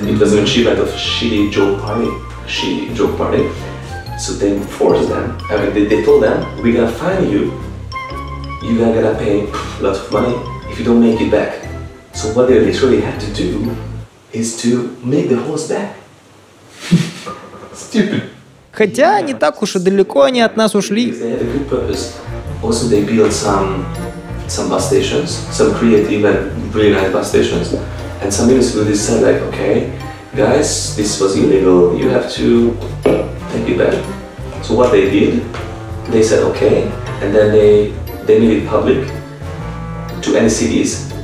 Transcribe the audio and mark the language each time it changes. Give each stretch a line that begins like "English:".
English: Mm-hmm. It was an achievement of shitty joke party. So they forced them. I mean, they told them, we're gonna fine you. You are gonna pay lots of money if you don't make it back. So what they literally had to do is to make the horse back. Stupid.
Russian: Хотя не так уж и далеко они от нас ушли.
English: They had a good purpose. Also, they built some bus stations, some creative and really nice bus stations. And some municipalities said like, okay, guys, this was illegal. You have to take it back. So what they did, they said okay, and then they made it public to any cities.